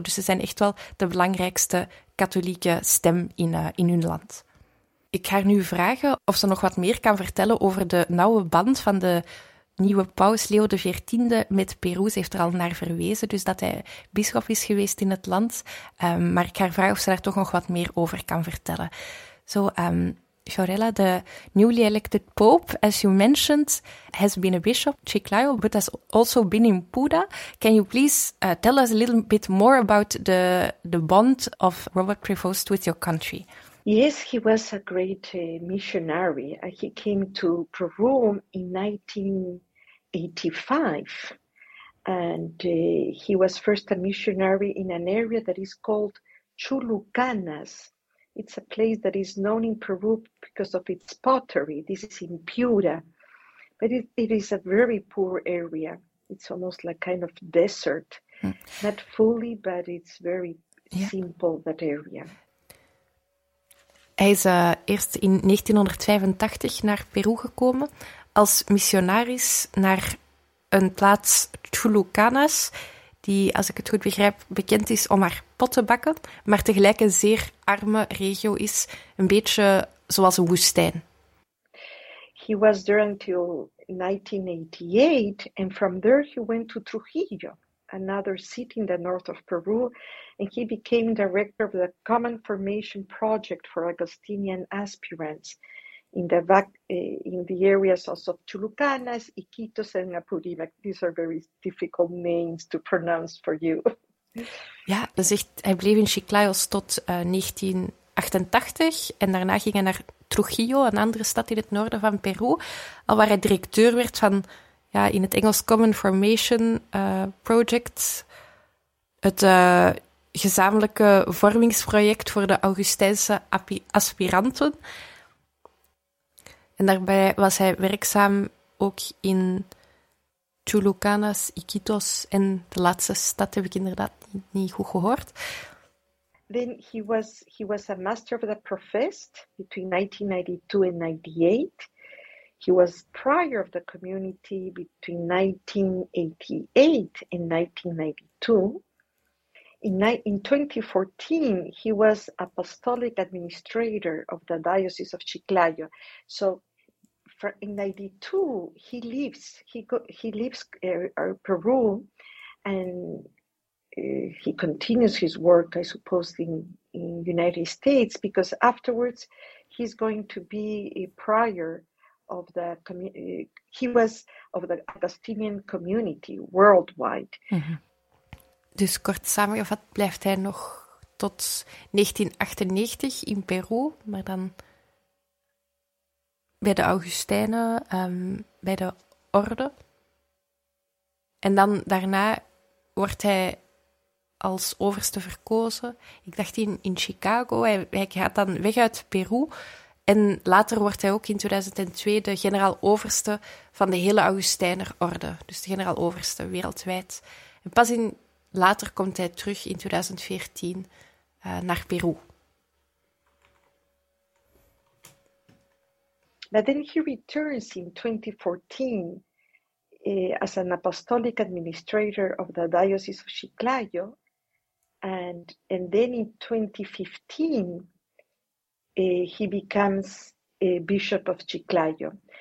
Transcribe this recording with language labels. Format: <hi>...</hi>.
<nl>Dus ze zijn echt wel de belangrijkste katholieke stem in hun land. Ik ga haar nu vragen of ze nog wat meer kan vertellen over de nauwe band van de nieuwe paus Leo de XIV met Peru. Ze heeft er al naar verwezen, dus dat hij bisschop is geweest in het land. Maar ik ga haar vragen of ze daar toch nog wat meer over kan vertellen.</nl> <en>So, Fiorella, the newly elected pope, as you mentioned, has been a bishop, Chiclayo, but has also been in Puda. Can you please tell us a little bit more about the bond of Robert Prevost with your country? Yes, he was a great missionary. He came to Peru in 1985. And he was first a missionary in an area that is called Chulucanas. It's a place that is known in Peru because of its pottery. This is in Piura. But it is a very poor area. It's almost like kind of desert. Hmm. Not fully, but it's very simple, that area.</en> <nl>Hij is eerst in 1985 naar Peru gekomen als missionaris naar een plaats, Chulucanas, die, als ik het goed begrijp, bekend is om haar pottenbakken, maar tegelijk een zeer arme regio is, een beetje zoals een woestijn.</nl> <en>He was there until 1988, and from there he went to Trujillo, another city in the north of Peru, and he became director of the Common Formation Project for Augustinian aspirants in the areas also of Chulucanas, Iquitos, and Apurímac. These are very difficult names to pronounce for you.</en> <nl>Ja, dus echt, hij bleef in Chiclayos tot 1988 en daarna ging hij naar Trujillo, een andere stad in het noorden van Peru, al waar hij directeur werd van, ja, in het Engels Common Formation Project, het gezamenlijke vormingsproject voor de Augustijnse aspiranten. En daarbij was hij werkzaam ook in Chulucanas, Iquitos en de laatste stad heb ik inderdaad niet goed gehoord.</nl> <en>Then he was a master of the professed between 1992 and 1998. He was prior of the community between 1988 and 1992. In 2014, he was apostolic administrator of the Diocese of Chiclayo. So in 92, he leaves Peru, and he continues his work, I suppose, in United States, because afterwards he's going to be a prior of the community. He was of the Augustinian community worldwide. Mm-hmm.</en> <nl>Dus kort samengevat blijft hij nog tot 1998 in Peru, maar dan bij de Augustijnen, bij de orde. En dan daarna wordt hij als overste verkozen. Ik dacht in Chicago. Hij gaat dan weg uit Peru. En later wordt hij ook in 2002 de generaal-overste van de hele Augustijnerorde. Dus de generaal-overste wereldwijd. En pas later komt hij terug in 2014 naar Peru.</nl> <en>But then he returns in 2014 as an apostolic administrator of the Diocese of Chiclayo. And then in 2015, he becomes a bishop of Chiclayo.</en>